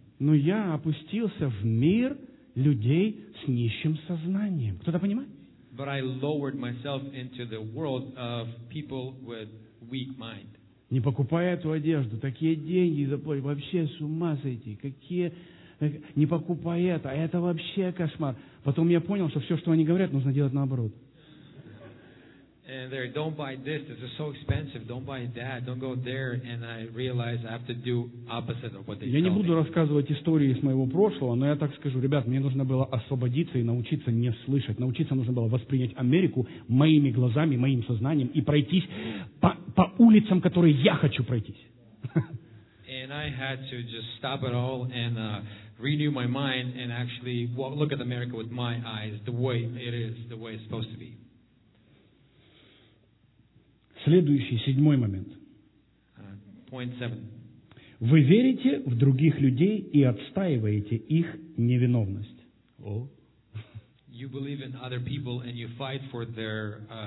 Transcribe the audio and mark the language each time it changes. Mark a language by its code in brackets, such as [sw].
[ru] Но я опустился в мир людей с нищим сознанием. Кто-то понимает? [en] But I lowered myself into the world of people with weak mind. [ru] Не покупая эту одежду, такие деньги заплатить, вообще с ума сойти. Какие? Не покупая это, а это вообще кошмар. Потом я понял, что все, что они говорят, нужно делать наоборот. [en] And they're, don't buy this, this is so expensive, don't buy that, don't go there, and I realize I have to do opposite of what they told me. [ru] Я не буду рассказывать истории из моего прошлого, но я так скажу, ребят, мне нужно было освободиться и научиться не слышать, научиться нужно было воспринять Америку моими глазами, моим сознанием и пройтись по улицам, которые я хочу пройтись. [en] And I had to just stop it all and renew my mind and actually look at America with my eyes, the way it is, the way it's supposed to be. [ru] Следующий, седьмой момент. [en] Point seven. [ru] Вы верите в других людей и отстаиваете их невиновность. Oh. [en] You believe in other people and you fight for their